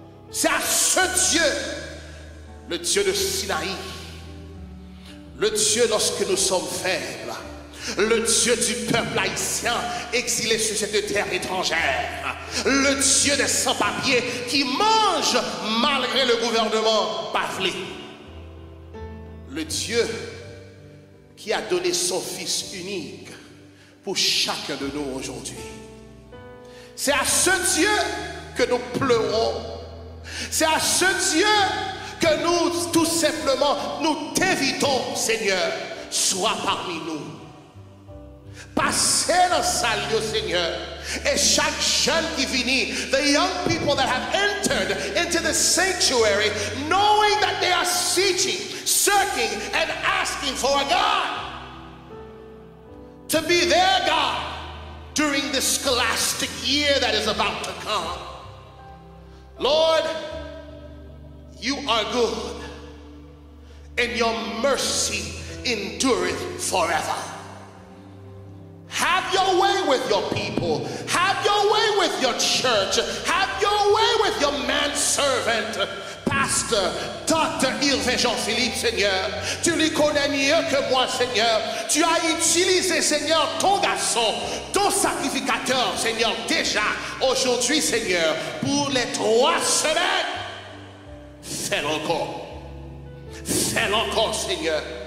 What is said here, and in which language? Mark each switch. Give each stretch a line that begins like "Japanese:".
French: C'est à ce Dieu, le Dieu de Sinaï, le Dieu lorsque nous sommes faibles, le Dieu du peuple haïtien exilé sur cette terre étrangère, le Dieu des sans-papiers qui mange malgré le gouvernement bafflé, le Dieu qui a donné son Fils unique pour chacun de nous aujourd'hui. C'est à ce Dieu que nous pleurons. C'est à ce Dieu que nous, tout simplement, nous t'invitons, Seigneur, sois parmi nous. Passez dans sa lieu, Seigneur. Et chaque jeune qui vient,
English: the young people that have entered into the sanctuary, knowing that they are seeking, searching, and asking for a God to be their God during this scholastic year that is about to come. Lord, you are good, and your mercy endureth forever. Have your way with your people. Have your way with your church. Have your way with your manservant, Pastor, Dr.
French: Yves Jean-Philippe, Seigneur. Tu lui connais mieux que moi, Seigneur. Tu as utilisé, Seigneur, ton garçon, ton sacrificateur, Seigneur, déjà aujourd'hui, Seigneur, pour les 3 semaines. Fais-le encore. Fais-le encore, Seigneur.